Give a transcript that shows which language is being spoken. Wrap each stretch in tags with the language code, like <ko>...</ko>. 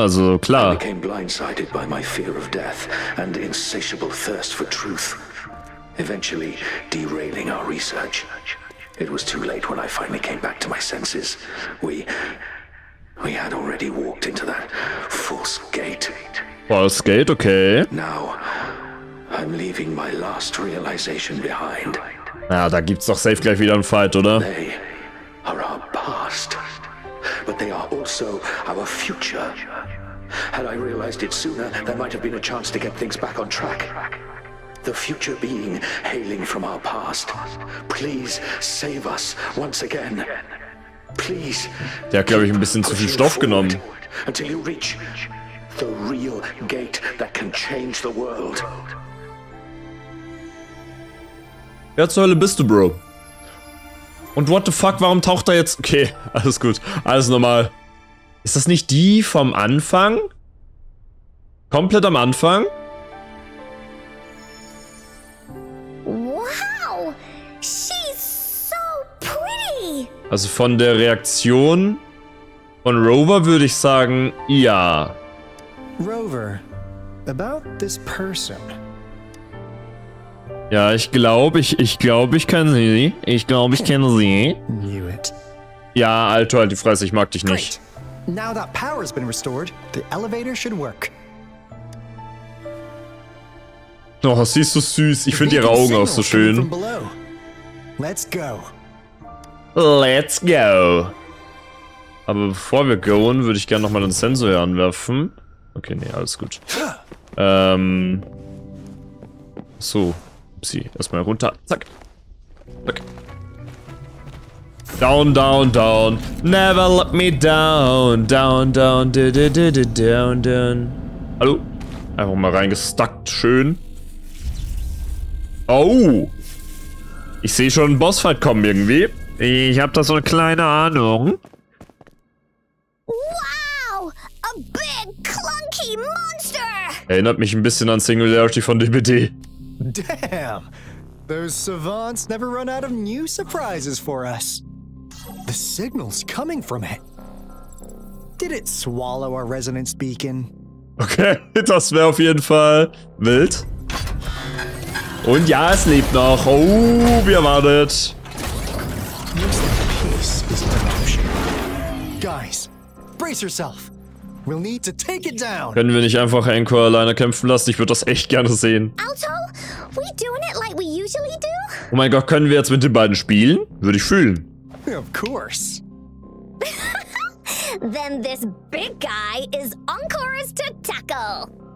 <de>Also klar.</de> <en>I became blindsided by my fear of death and insatiable thirst for truth, eventually derailing our research. It was too late when I finally came back to my senses. We had already walked into that false gate. False gate, okay. Now I'm leaving my last realization behind.</en> <de>Ja, da gibt's doch safe gleich wieder einen Fight, oder?</de> <en>They are our past, but they are also our future. Had I realized it sooner, there might have been a chance to get things back on track. The future being hailing from our past. Please save us once again. Please.</en> <de>Der hat, glaube ich, ein bisschen zu viel Stoff genommen.</de> <en>Until you reach the real gate that can change the world.</en> <de>Wer zur Hölle bist du, Bro? Und</de> <en>what the fuck,</en> <de>warum taucht da jetzt... Okay, alles gut. Alles normal. Ist das nicht die vom Anfang? Komplett am Anfang?</de> <en>Wow! She's so pretty!</en> <de>Also von der Reaktion von Rover würde ich sagen, ja.</de> <en>Rover, about this person...</en> <de>Ja, ich glaube, ich kenne sie.</de> <en>Knew it.</en> <de>Ja, Alter, halt die Fresse, ich mag dich nicht.</de> <en>Great. Now that power has been restored, the elevator should work.</en> <de>Oh, sie ist so süß. Ich finde ihre Augen auch so schön.</de> <en>Let's go. Let's go.</en> <de>Aber bevor wir gehen, würde ich gerne nochmal den Sensor hier anwerfen. Okay, nee, alles gut. So. Sie erstmal runter. Zack. Zack.</de> <en>Down, down, down. Never let me down. Down, down, down, down.</en> <de>Hallo? Einfach mal reingestuckt. Schön. Oh. Ich sehe schon einen Bossfight kommen irgendwie. Ich habe da so eine kleine Ahnung.</de> <en>Wow. A big, clunky monster.</en> <de>Erinnert mich ein bisschen an Singularity von DBD.</de> <en>Damn! Those savants never run out of new surprises for us. The signal's coming from it. Did it swallow our resonance beacon?</en> <de>Okay, das wäre auf jeden Fall wild. Und ja, es lebt noch. Oh, wie erwartet.</de> <en>Looks like peace isn't an option. Guys, brace yourself. We'll need to take it down.</en> <de>Können wir nicht einfach Anko alleine kämpfen lassen? Ich würde das echt gerne sehen.</de> <en>Alto, we doing it like we usually do?</en> <de>Oh mein Gott, können wir jetzt mit den beiden spielen? Würde ich fühlen.</de> <en>Of course. Then this big guy is Anko's to tackle.</en>